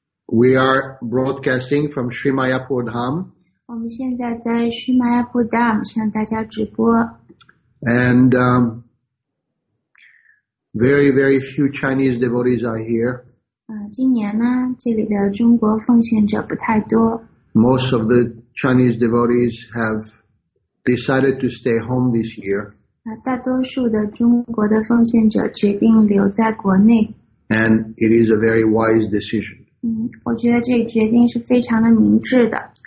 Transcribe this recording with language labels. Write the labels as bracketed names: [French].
[English] We are broadcasting from Sri Mayapur Dham. [Chinese] 我们现在在 Sri Mayapur Dham 向大家直播。 [English] And very, very few Chinese devotees are here. [Chinese] 今年呢，这里的中国奉献者不太多。 [English] Most of the Chinese devotees have decided to stay home this year. [Chinese] 大多数的中国的奉献者决定留在国内。 [English] And it is a very wise decision. [Chinese] 我觉得这个决定是非常的明智的。